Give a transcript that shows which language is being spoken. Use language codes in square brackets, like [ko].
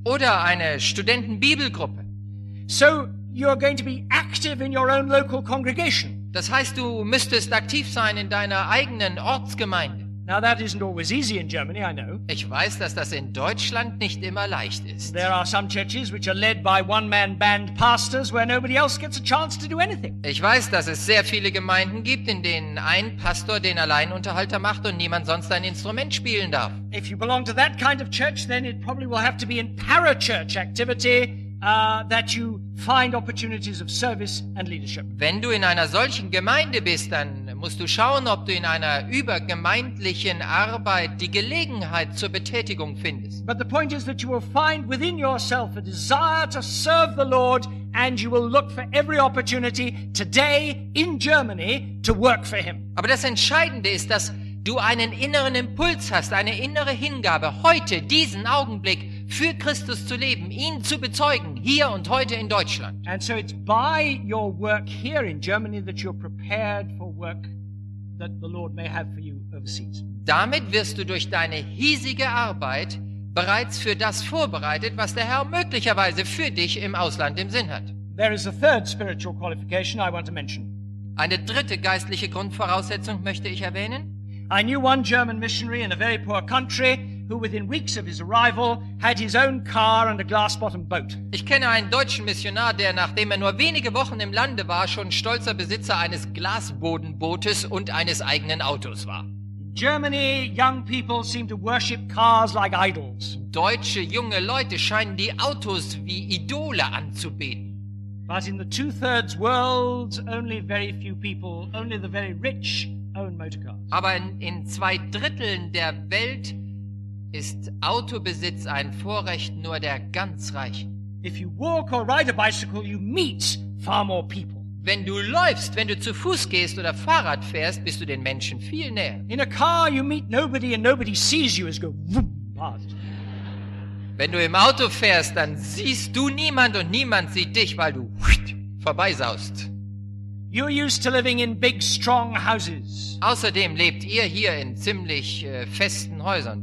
[de] Oder eine Studentenbibelgruppe. [en] So you're going to be active in your own local congregation. [de] Das heißt, du müsstest aktiv sein in deiner eigenen Ortsgemeinde. [en] Now that isn't always easy in Germany, I know. [de] Ich weiß, dass das in Deutschland nicht immer leicht ist. [en] There are some churches which are led by one-man band pastors where nobody else gets a chance to do anything. [de] Ich weiß, dass es sehr viele Gemeinden gibt, in denen ein Pastor den Alleinunterhalter macht und niemand sonst ein Instrument spielen darf. [en] If you belong to that kind of church, then it probably will have to be in parachurch activity that you find opportunities of service and leadership. [de] Wenn du in einer solchen Gemeinde bist, dann musst du schauen, ob du in einer übergemeindlichen Arbeit die Gelegenheit zur Betätigung findest. [en] But the point is that you will find within yourself a desire to serve the Lord and you will look for every opportunity today in Germany to work for him. [de] Aber das Entscheidende ist, dass du einen inneren Impuls hast, eine innere Hingabe, heute, diesen Augenblick, für Christus zu leben, ihn zu bezeugen, hier und heute in Deutschland. [en] And so it's by your work here in Germany that you're prepared for work that the Lord may have for you overseas. [de] Damit wirst du durch deine hiesige Arbeit bereits für das vorbereitet, was der Herr möglicherweise für dich im Ausland im Sinn hat. [en] There is a third spiritual qualification I want to mention. [de] Eine dritte geistliche Grundvoraussetzung möchte ich erwähnen. [en] I knew one German missionary in a very poor country who within weeks of his arrival had his own car and a glass-bottomed boat. [de] Ich kenne einen deutschen Missionar, der nachdem er nur wenige Wochen im Lande war, schon stolzer Besitzer eines Glasbodenbootes und eines eigenen Autos war. [en] Germany, young people seem to worship cars like idols. [de] Deutsche junge Leute scheinen die Autos wie Idole anzubeten. [en] But in the two-thirds world, only very few people, only the very rich own motor cars. [de] Aber in zwei Dritteln der Welt ist Autobesitz ein Vorrecht nur der ganz Reichen. [en] If you walk or ride a bicycle, you meet far more people. [de] Wenn du läufst, wenn du zu Fuß gehst oder Fahrrad fährst, bist du den Menschen viel näher. [en] In a car you meet nobody and nobody sees you as go whoop, past. [de] Wenn du im Auto fährst, dann siehst du niemand und niemand sieht dich, weil du vorbeisaust. [en] You're used to living in big strong houses. [de] Außerdem lebt ihr hier in ziemlich festen Häusern